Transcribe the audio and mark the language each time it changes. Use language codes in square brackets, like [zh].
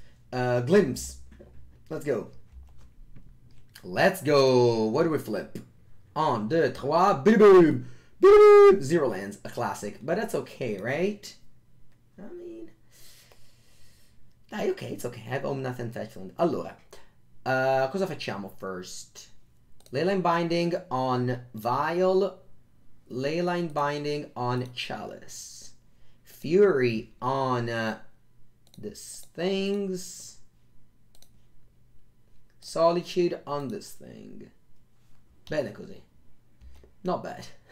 [en] Glimpse. Let's go. What do we flip? On the trois, boom. Zero lands, a classic. But that's okay, right? I mean, it's okay. I have Omnath and Fetchland. [it] Allora, cosa facciamo [en] first? Leyline Binding on Vile. Leyline Binding on Chalice. Fury on this things. Solitude on this thing. [it] Bene così. [en] Not bad.